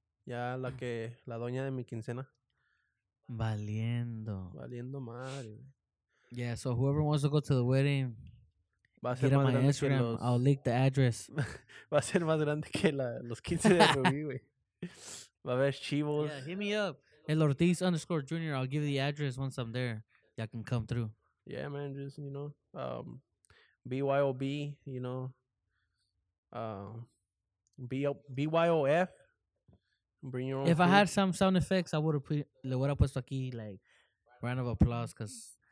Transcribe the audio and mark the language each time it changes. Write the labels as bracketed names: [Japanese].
[Spanish] Ya la que la doña de mi quincena. Valiendo. Valiendo madre. [English] Yeah, so whoever wants to go to the wedding, [Spanish] va a ser más grande que los... [English] I'll leak the address. [Spanish] Va a ser más grande que la, los 15 de Rubí, güey. Va a haber chivos. [English] Yeah, hit me up. El_Ortiz_Junior. I'll give you the address once I'm there. Y'all can come through. Yeah, man. Just, you know, BYOB, you know. BYOF. Bring your own. If I had some sound effects, I would have put... [Spanish] Le hubiera puesto aquí, [English] like, round of applause, because...